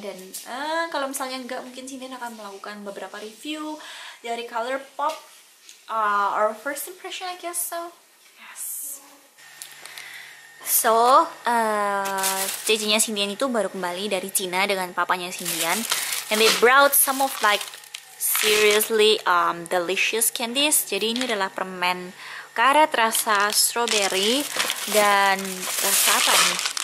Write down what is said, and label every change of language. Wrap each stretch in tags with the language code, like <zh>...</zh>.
<id>Dan kalau misalnya enggak, mungkin Cynthian akan melakukan beberapa review dari Colourpop.</id> <en>Our first impression, I guess so.</en> <id>So, cicinya Cynthian itu baru kembali dari Cina dengan papanya Cynthian.</id> <en>And they brought some of like seriously delicious candies.</en> <id>Jadi ini adalah permen karet rasa strawberry dan rasa apa nih?</id>